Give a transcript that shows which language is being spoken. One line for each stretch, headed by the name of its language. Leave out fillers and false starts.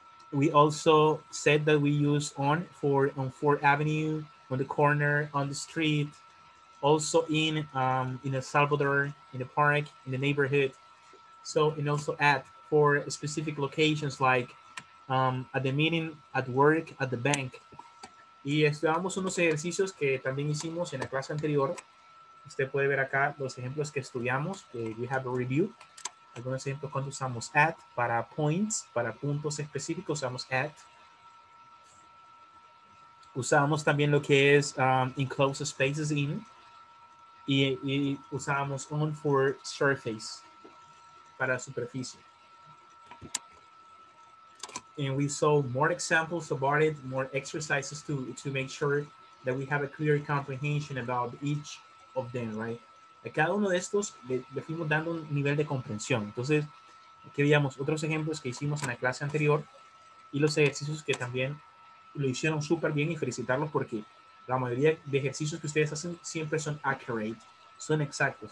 English: We also said that we use on Fourth Avenue, on the corner, on the street, also in El Salvador, in the park, in the neighborhood. So, and also at for specific locations like at the meeting, at work, at the bank.
Spanish: Y estudiamos unos ejercicios que también hicimos en la clase anterior. Usted puede ver acá los ejemplos que estudiamos.
English: We have a review.
Spanish: Algunos ejemplos cuando usamos at para points, para puntos específicos, usamos at. Usamos también lo que es enclosed spaces in. Y usamos
English: on for surface,
Spanish: para superficie.
English: And we saw more examples about it, more exercises to make sure that we have a clear comprehension about each of them, right?
Spanish: A cada uno de estos le fuimos dando un nivel de comprensión. Entonces, aquí veíamos otros ejemplos que hicimos en la clase anterior y los ejercicios que también lo hicieron súper bien y felicitarlos porque la mayoría de ejercicios que ustedes hacen siempre son accurate, son exactos.